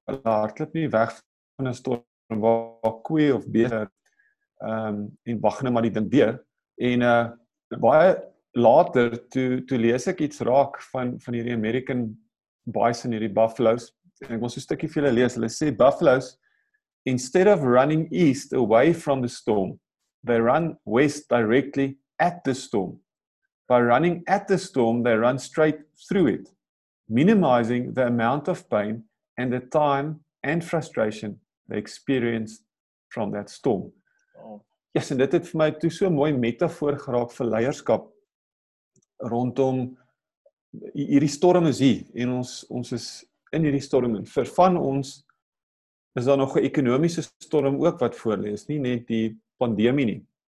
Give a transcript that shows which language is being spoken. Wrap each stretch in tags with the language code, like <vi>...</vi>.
<af>Hulle hardloop nie weg van 'n storm waar koeie of beeste en wag net maar die ding weer. En baie later, toe lees ek iets raak van hierdie American bison, hierdie buffaloes. En ek wil so 'n stukkie vir julle lees. Hulle sê,</af> <en>buffaloes, instead of running east away from the storm, they run west directly at the storm. By running at the storm, they run straight through it, minimizing the amount of pain and the time and frustration they experienced from that storm. Oh. Yes,</en> <af>en dit het vir my toe so 'n mooi metafoor geraak vir leierskap rondom hierdie storm is hier, en ons is in hierdie storm, en vir van ons is daar nog 'n ekonomiese storm ook wat voorlê, is nie net die pandemie nie.</af>